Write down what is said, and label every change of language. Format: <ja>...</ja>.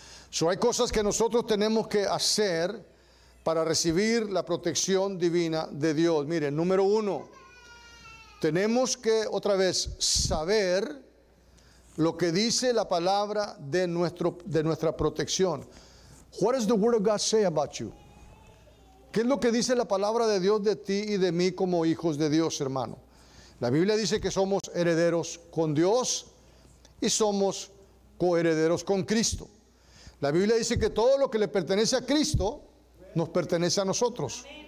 <es>So, hay cosas que nosotros tenemos que hacer para recibir la protección divina de Dios. Miren, número uno, tenemos que otra vez saber lo que dice la palabra de nuestra protección.</es> <en>What does the word of God say about you?</en> <es>¿Qué es lo que dice la palabra de Dios de ti y de mí como hijos de Dios, hermano? La Biblia dice que somos herederos con Dios y somos coherederos con Cristo. La Biblia dice que todo lo que le pertenece a Cristo nos pertenece a nosotros.</es>